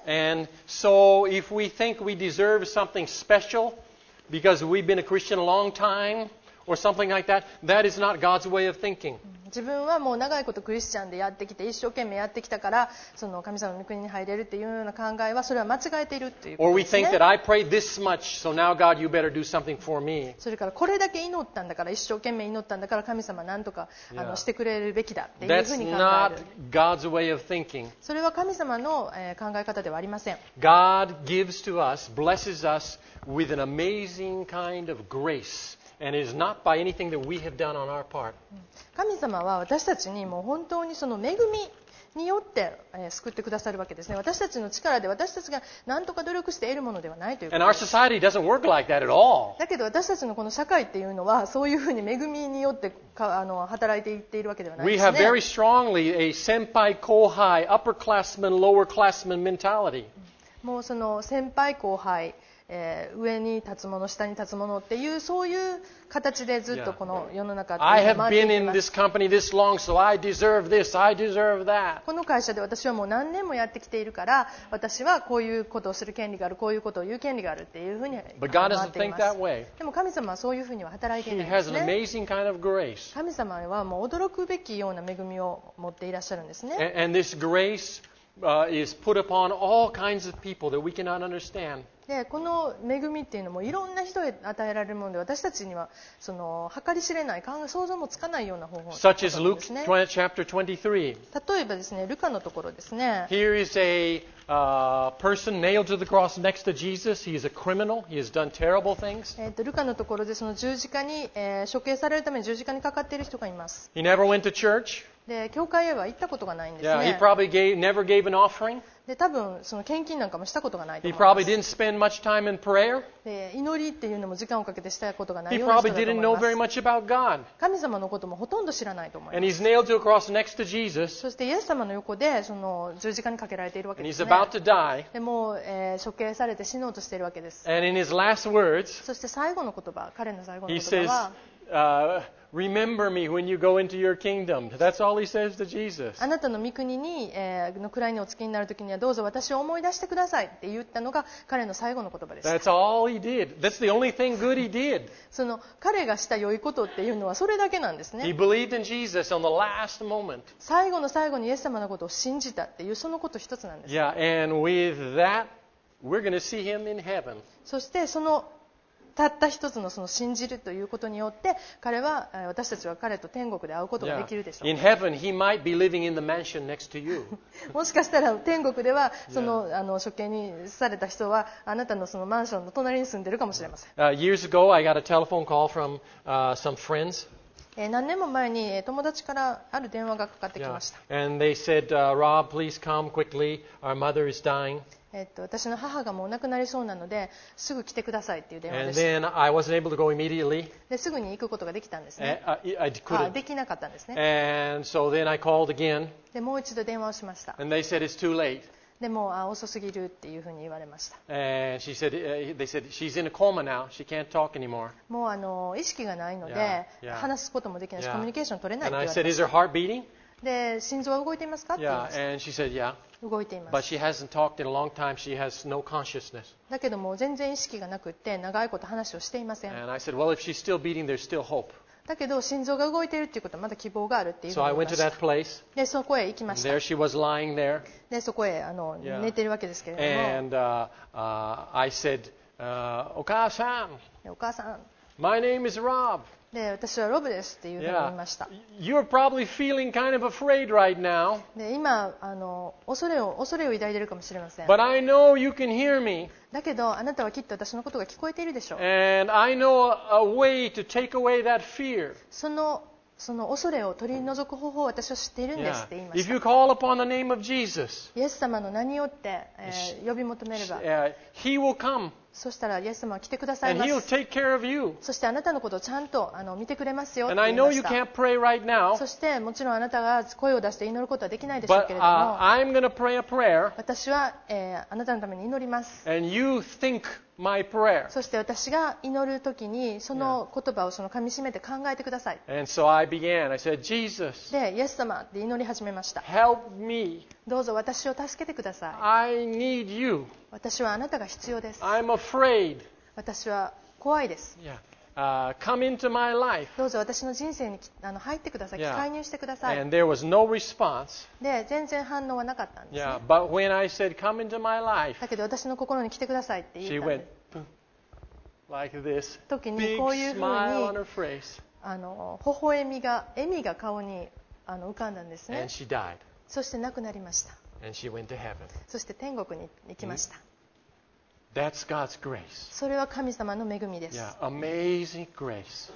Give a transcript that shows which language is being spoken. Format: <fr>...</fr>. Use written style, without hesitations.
<en>Yeah. And so if we think we deserve something special because we've been a Christian a long time or something like that, that is not God's way of thinking.</en> <ja>自分はもう長いことクリスチャンでやってきて一生懸命やってきたからその神様の御国に入れるっていうような考えはそれは間違えているっていうことですね。</ja> <en>Or we think that I pray this much, so now God, you better do something for me.</en> <ja>それからこれだけ祈ったんだから一生懸命祈ったんだから神様なんとか、yeah. してくれるべきだっていうふうに考える。</ja> <en>That's not God's way of thinking.</en> <ja>それは神様の考え方ではありません。</ja> <en>God gives to us, blesses us with an amazing kind of grace. And it is not by anything that we have done on our part.</en> <ja>神様は私たちにもう本当にその恵みによって、救ってくださるわけですね。私たちの力で私たちが何とか努力して得るものではないということです。</ja> <en>And our society doesn't work like that at all.</en> <ja>だけど私たちのこの社会っていうのはそういうふうに恵みによって働いていっているわけではないですね。</ja> <en>We have very strongly a senpai kohai, upper classman, lower classman mentality.</en> <ja>もうその先輩後輩上に立つもの下に立つものっていうそういう形でずっとこの世の中で回っています。</ja> <en>I have been in this company this long, so I deserve this, I deserve that.</en> <ja>この会社で私はもう何年もやってきているから私はこういうことをする権利がある、こういうことを言う権利があるっていうふうに思っています。</ja> <en>But God doesn't think that way.</en> <ja>でも神様はそういうふうには働いていないんですね。</ja> <en>He has an amazing kind of grace.</en> <ja>神様はもう驚くべきような恵みを持っていらっしゃるんですね。</ja> <en>And this grace is put upon all kinds of people that we cannot understand.</en> <ja>でこの恵みっていうのもいろんな人へ与えられるもので私たちにはその計り知れない想像もつかないような方法なんですね。</ja> <en>Such as Luke chapter 23.</en> <ja>例えばですねルカのところですね。</ja> <en>Here is a person nailed to the cross next to Jesus. He is a criminal. He has done terrible things.</en> <ja>ルカのところでその十字架に、処刑されるために十字架にかかっている人がいます。</ja> <en>He never went to church.</en> <ja>で教会へは行ったことがないんですね。</ja> <en>Yeah, he probably never gave an offering.</en> <ja>で多分その献金なんかもしたことがないと思います</ja> <en>。He probably didn't spend much time in prayer.</en> <ja>で祈りっていうのも時間をかけてしたことがないような人だと思います。</ja> <en>He probably didn't know very much about God.</en> <ja>神様のこともほとんど知らないと思います。</ja> <en>And he's nailed to a cross next to Jesus.</en> <ja>そしてイエス様の横でその十字架にかけられているわけですね。</ja> <en>And he's about to die.</en> <ja>でもう、処刑されて死のうとしているわけです。</ja> <en>And in his last words,</en> <ja>そして最後の言葉、彼の最後の言葉は、</ja> <en>he says, Remember me when you go into your kingdom. That's all he says to Jesus.</en> <ja>あなたの御国に、の位にお着きになるときにはどうぞ私を思い出してくださいって言ったのが彼の最後の言葉でした。</ja> <en>That's all he did. That's the only thing good he did.</en> <ja>その彼がした良いことっていうのはそれだけなんですね。</ja> <en>He believed in Jesus on the last moment.</en> <ja>最後の最後にイエス様のことを信じたっていうそのこと一つなんです。</ja> <en>Yeah, and with that, we're going to see him in heaven.</en> <ja>そしてそのたった一つ の, その信じるということによって彼は私たちは彼と天国で会うことができるでしょう。</ja> <en>In heaven, he might be living in the mansion next to you.</en> <ja>もしかしたら天国ではその、あの処刑にされた人はあなた の, そのマンションの隣に住んでるかもしれません。</ja> <en>Years ago, I got a telephone call from some friends.</en> <ja>何年も前に友達からある電話がかかってきました。</ja> <en>Yeah. And they said, Rob, please come quickly. Our mother is dying.</en> <ja>私の母がもう亡くなりそうなのですぐ来てくださいっていう電話でした。</ja> <en>And then I wasn't able to go immediately.</en> <ja>ですぐに行くことができたんですね。できなかったんですね。</ja> <en>And so then I called again.</en> <ja>でもう一度電話をしました。</ja> <en>And they said it's too late.</en> <ja>でも遅すぎるっていうふうに言われました。</ja> <en>And she said, they said she's in a coma now. She can't talk anymore.</en> <ja>もう意識がないので話すこともできないし、コミュニケーション取れないって言われました。</ja> <en>And I said, is her heart beating?</en> <ja>で心臓は動いていますかって言います。</ja> <en>Yeah, and she said, yeah.</en> <ja>動いています。</ja> <en>But she hasn't talked in a long time. She has no consciousness.</en> <ja>だけども全然意識がなくて長いこと話をしていません。</ja> <en>And I said, well, if she's still beating, there's still hope.</en> <ja>だけど心臓が動いているっていうことはまだ希望があるっていうふうに言いました。</ja> <en>So I went to that place.</en> <ja>でそこへ行きました。</ja> <en>There she was lying there.</en> <ja>でそこへ寝ているわけですけれども。</ja> <en>And I said,</en> <ja>お母さん。お母さん。</ja> <en>My name is Rob.</en> <ja>で私はロブですっていうふうに言いました。</ja> <en>Yeah. You're probably feeling kind of afraid right now.</en> <ja>で今恐れを抱いているかもしれません。</ja> <en>But I know you can hear me.</en> <ja>だけどあなたはきっと私のことが聞こえているでしょう。</ja> <en>And I know a way to take away that fear.</en> <ja>その恐れを取り除く方法を私は知っているんですって言いました。</ja> <en>If you call upon the name of Jesus,</en> <ja>イエス様の名によって、呼び求めれば、</ja> <en>He will come.</en> <ja>そしたらイエス様は来てくださいます。</ja> <en>And He'll take care of you.</en> <ja>そしてあなたのことをちゃんと見てくれますよって言いました。</ja> <en>And I know you can't pray right now.</en> <ja>そしてもちろんあなたが声を出して祈ることはできないでしょうけれども、</ja> <en>But, I'm going to pray a prayer.</en> <ja>私は、あなたのために祈ります。</ja> <en>And you think. My prayer.</en> <ja>そして私が祈るときにその言葉をかみしめて考えてください。</ja> <en>And so I began. I said, Jesus,</en> <ja>で、イエス様って祈り始めました。</ja> <en>Help me.</en> <ja>どうぞ私を助けてください。</ja> <en>I need you.</en> <ja>私はあなたが必要です。</ja> <en>I'm afraid.</en> <ja>私は怖いです。</ja> <en>Yeah. Come into my life.</en> <ja>どうぞ私の人生に入ってください。 Yeah. 介入してください。</ja> <en>And there was no response.</en> <ja>で、全然反応はなかったんですね。</ja> <en>Yeah. But when I said, come into my life,</en> <ja>だけど私の心に来てくださいって言ったんです。</ja> <en>She went, like this.</en> <ja>時にこういうふうに、</ja> <en>Big smile on her face.</en> <ja>微笑みが、笑みが顔に浮かんだんですね。</ja> <en>And she died.</en> <ja>そして亡くなりました。</ja> <en>And she went to heaven.</en> <ja>そして天国に行きました。</ja> <en>That's God's grace.</en> <ja>それは神様の恵みです。</ja> <en>Yeah, amazing grace.</en>